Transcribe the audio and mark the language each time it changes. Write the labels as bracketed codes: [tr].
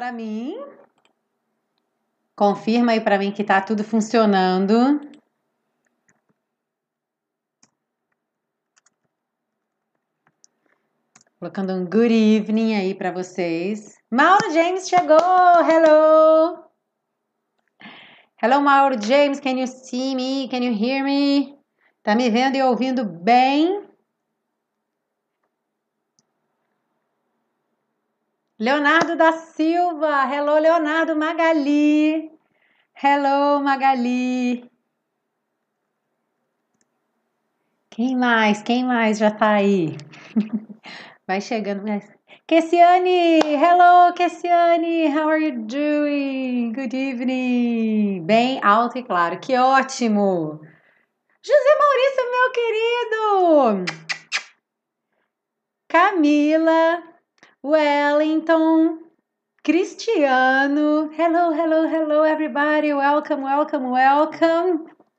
[pt] para mim. Confirma aí para mim que tá tudo funcionando. Colocando um [en] good evening [pt] aí para vocês. Mauro James chegou! [en] Hello! Hello, Mauro James, can you see me? Can you hear me? [pt] Tá me vendo e ouvindo bem? [en] Leonardo da Silva, hello Leonardo Magali, hello Magali. [pt] Quem mais? Quem mais já tá aí? Vai chegando. [en] Kessiane, hello Kessiane, how are you doing? Good evening. [pt] Bem alto e claro, que ótimo. José Maurício, meu querido. [en] Camila. Wellington, Cristiano, hello, hello, hello, everybody, welcome, welcome, welcome.